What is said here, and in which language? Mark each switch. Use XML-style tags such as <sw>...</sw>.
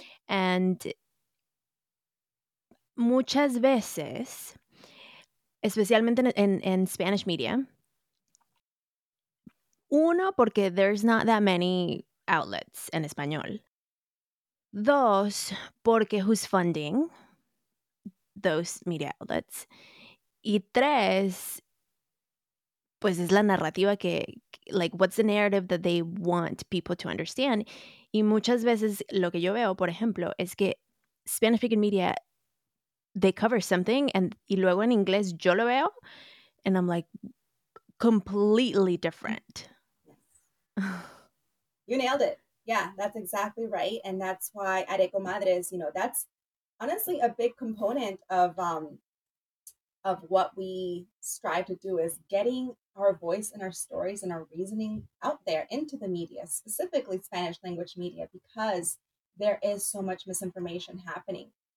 <en>And</en> <es>muchas veces, especialmente en</es> <en>Spanish media,</en> <es>uno, porque</es> <en>there's not that many outlets</en> <es>en español. Dos, porque</es> <en>who's funding those media outlets.</en> <es>Y tres, pues es la narrativa que,</es> <en>like, what's the narrative that they want people to understand?</en> <es>Y muchas veces lo que yo veo, por ejemplo, es que</es> <en>Spanish-speaking media, they cover something, and</en> <es>y luego en inglés yo lo veo,</es> <en>and I'm like, completely different. You nailed it. Yeah, that's exactly right. And that's why at Eco Madres, you know, that's honestly a big component of what we strive to do is getting our voice and our stories and our reasoning out there into the media, specifically Spanish language media, because there is so much misinformation happening.</en>